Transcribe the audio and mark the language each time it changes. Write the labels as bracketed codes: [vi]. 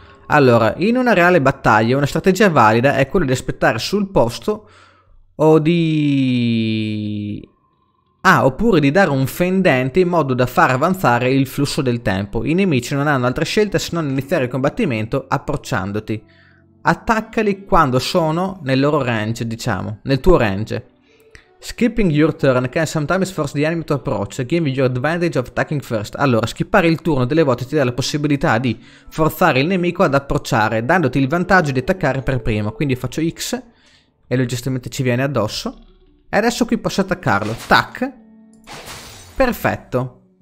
[it] Allora, in una reale battaglia, una strategia valida è quella di aspettare sul posto o di... Ah, oppure di dare un fendente in modo da far avanzare il flusso del tempo. I nemici non hanno altra scelta se non iniziare il combattimento approcciandoti. Attaccali quando sono nel loro range, diciamo, nel tuo range. [en] Skipping your turn can sometimes force the enemy to approach, giving you advantage of attacking first. [it] Allora, skippare il turno delle volte ti dà la possibilità di forzare il nemico ad approcciare, dandoti il vantaggio di attaccare per primo. Quindi faccio X e lui giustamente ci viene addosso. E adesso qui posso attaccarlo. Tac. Perfetto.